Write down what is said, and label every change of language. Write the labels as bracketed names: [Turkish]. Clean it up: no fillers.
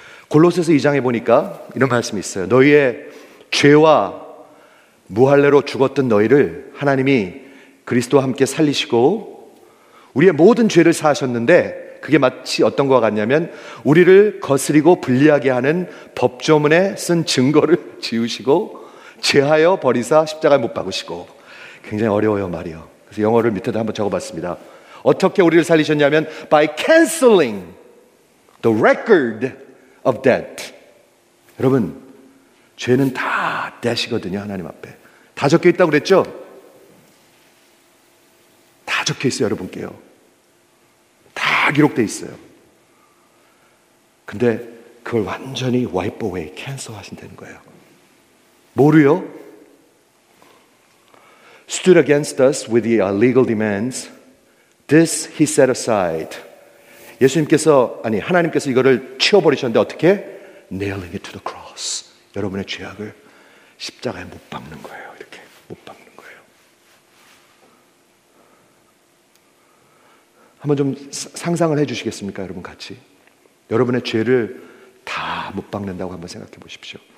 [Korean] 골로새서 2장에 보니까 이런 말씀이 있어요. 너희의 죄와 무할례로 죽었던 너희를 하나님이 그리스도와 함께 살리시고 우리의 모든 죄를 사하셨는데, 그게 마치 어떤 것 같냐면 우리를 거스리고 불리하게 하는 법조문에 쓴 증거를 지우시고 죄하여 버리사 십자가에 못 박으시고. 굉장히 어려워요 말이요. 그래서 영어를 밑에다 한번 적어봤습니다. 어떻게 우리를 살리셨냐면 [English] By canceling the record of debt. [Korean] 여러분, 죄는 다 debt이거든요. 하나님 앞에 다 적혀있다고 그랬죠? 다 적혀있어요 여러분께요. 다 기록돼 있어요. 근데 그걸 완전히 [English] wipe away, cancel [Korean] 하신다는 거예요. 뭐로요? [English] Stood against us with the legal demands. This he set aside. [Korean] 예수님께서, 아니 하나님께서 이거를 치워버리셨는데 어떻게? [English] Nailing it to the cross. [Korean] 여러분의 죄악을 십자가에 못 박는 거예요. 이렇게 못 박는 거예요. 한번 좀 상상을 해주시겠습니까? 여러분 같이. 여러분의 죄를 다 못 박는다고 한번 생각해 보십시오.